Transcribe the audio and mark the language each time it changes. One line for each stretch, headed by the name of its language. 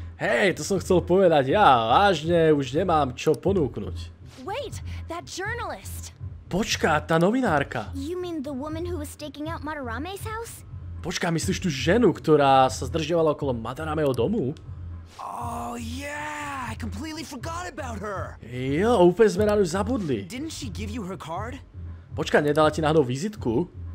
Slovak: Hej, to som chcel povedať ja. Vážne, už nemám čo ponúknuť.
English: Wait, that journalist.
Slovak: Počka, tá novinárka.
English: You mean the woman who was staking out Madarame's house?
Slovak: Počka, myslíš tú ženu, ktorá sa zdržiavala okolo Madarameho domu?
English: Oh yeah, I completely forgot about her.
Slovak: Jo, úplne sme na ňu zabudli.
English: Didn't she give you her card?
Slovak: Počka, nedala ti náhodou vizitku?